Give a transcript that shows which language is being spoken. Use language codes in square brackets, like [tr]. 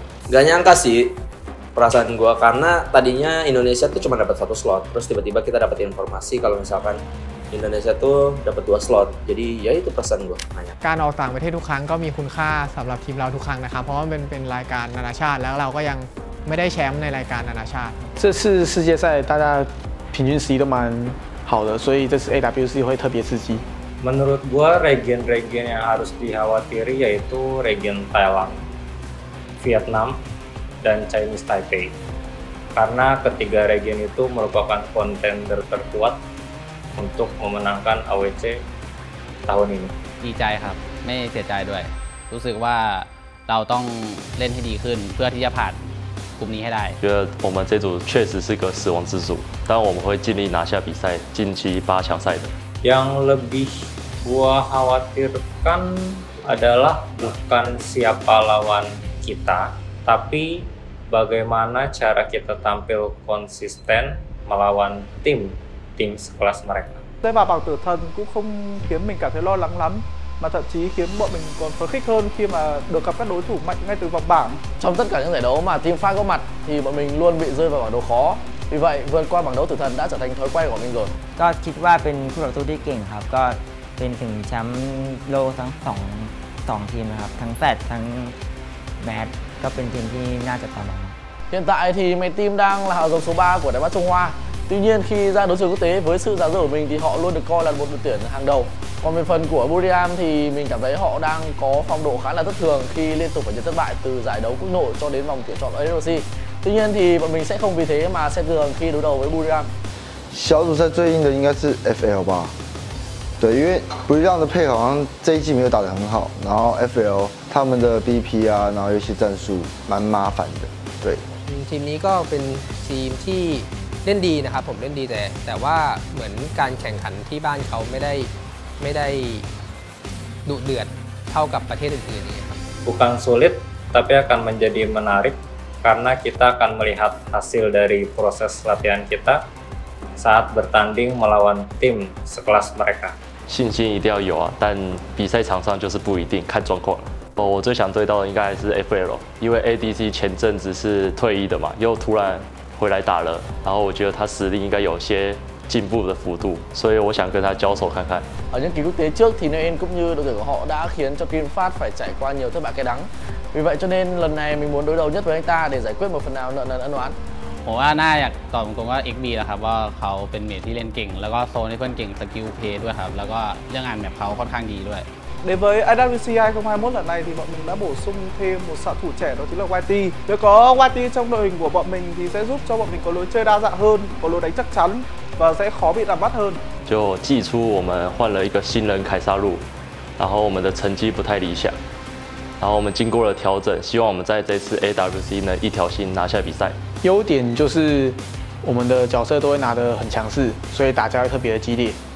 [id] Gak nyangka sih perasaan gue, karena tadinya Indonesia tuh cuma dapat satu slot, terus tiba-tiba kita dapat informasi kalau misalkan Indonesia tuh dapat dua slot. Jadi ya itu perasaan gue. [th] Karena ออก ต่าง ประเทศ ทุก ครั้ง ก็ มี คุณ ค่า สำหรับ ทีม เรา ทุก ครั้ง นะ ครับ เพราะ ว่า เป็น รายการ นานาชาติ แล้ว เรา ก็ ยัง ไม่ ได้ แชมป์ ใน รายการ นานาชาติ [zh] 这次世界赛大家平均实力都蛮好的，所以这次 AWC 会特别刺激。 [id] Menurut gua region-region yang harus dikhawatiri yaitu region Thailand, Vietnam, dan Chinese Taipei. Karena ketiga region itu merupakan kontender terkuat untuk memenangkan AWC tahun ini. [th] ดีใจครับไม่เสียใจด้วยรู้สึกว่าเราต้องเล่นให้ดีขึ้นเพื่อที่จะผ่านกลุ่มนี้ให้ได้ [zh] 觉得我们这组确实是个死亡之组，但我们会尽力拿下比赛，晋级八强赛的。 [id] Yang lebih gua khawatirkan adalah bukan siapa lawan kita, tapi bagaimana cara kita tampil konsisten melawan tim sekelas mereka. [vi] Tên và bảo tử thần cũng không khiến mình cảm thấy lo lắng lắm, mà thậm chí khiến bọn mình còn phấn khích hơn khi mà được gặp các đối thủ mạnh ngay từ vòng bảng. Trong tất cả những giải đấu mà team Phan có mặt thì bọn mình luôn bị rơi vào bảng đấu khó. Vì vậy, vượt qua bảng đấu tử thần đã trở thành thói quen của mình rồi. [th] ก็คิดว่าเป็นผู้ต่อสู้ที่เก่งครับก็เป็นถึงแชมป์โลกทั้ง2ทีมนะครับทั้งแฟตทั้งแมทก็เป็นทีมที่น่าจะตามอง [vi] hiện tại thì mấy team đang là hàng đầu số 3 của Đài Bắc Trung Hoa. Tuy nhiên khi ra đấu trường quốc tế với sự giá rẻ của mình thì họ luôn được coi là một đội tuyển hàng đầu. Còn về phần của Buriam thì mình cảm thấy họ đang có phong độ khá là thất thường khi liên tục phải nhận thất bại từ giải đấu quốc nội cho đến vòng tuyển chọn AWC. Tuy nhiên thì bọn mình sẽ không vì thế mà xem thường khi đối đầu với Buriam. [zh] 小组赛最硬的应该是 FL 吧？对，因为 Buriam 的配合好像这一季没有打得很好，然后 FL 他们的 BP 啊，然后有些战术蛮麻烦的，对。 [th] ทีมนี้ก็เป็นทีมที่เล่นดีนะครับผมเล่นดีแต่ว่าเหมือนการแข่งขันที่บ้านเขาไม่ได้ดุเดือดเท่ากับประเทศอื่นๆนี่ครับ [id] Bukan sulit tapi akan menjadi menarik karena kita akan melihat hasil dari proses latihan kita saat bertanding melawan tim sekelas mereka [zh] 信心一定要有啊但比赛场上就是不一定看状况我最想对到的应该还是 FL， 因为 ADC 前阵子是退役的嘛，又突然回来打了，然后我觉得他实力应该有些进步的幅度，所以我想跟他交手看看。 [vi] Ở những kỳ quốc tế trước thì Nguyên cũng như đội tuyển của họ đã khiến cho VinFast phải trải qua nhiều thất bại cay đắng. Vì vậy cho nên lần này mình muốn đối đầu nhất với anh ta để giải quyết một phần nào nợ nần ân oán. [th] ผมว่าน่าอยากตอบตรงว่า XB นะครับว่าเขาเป็นเมทที่เล่นเก่งแล้วก็โซนที่เพื่อนเก่งสกิลเพย์ด้วยครับแล้วก็เรื่องงานแบบเขาค่อนข้างดีด้วย [vi] Dến với AWC 2021 lần này thì bọn mình đã bổ sung thêm một xạ thủ trẻ đó chính là YT. Nếu có YT trong đội hình của bọn mình thì sẽ giúp cho bọn mình có lối chơi đa dạng hơn, có lối đánh chắc chắn và sẽ khó bị đặt mắt hơn. [zh] 就季初我们换了一个新人凯撒路，然后我们的成绩不太理想，然后我们经过了调整，希望我们在这次 AWC 能一条心拿下比赛。优点就是我们的角色都会拿得很强势，所以打架会特别的激烈。